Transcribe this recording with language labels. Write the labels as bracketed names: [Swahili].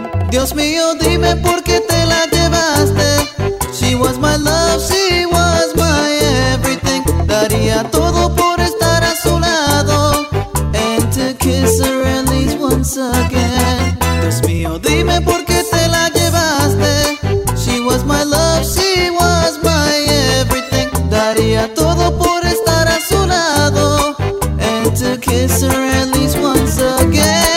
[Spanish] Dios mío, dime por qué te la llevaste. [English] She was my love, she was my everything. [Spanish] Daría todo por estar a su lado. [English] And to kiss her at least once again. [Spanish] Dios mío, dime por qué te la llevaste. [English] She was my love, she was my everything. [Spanish] Daría todo por estar a su lado. [English] And to kiss her at least once again.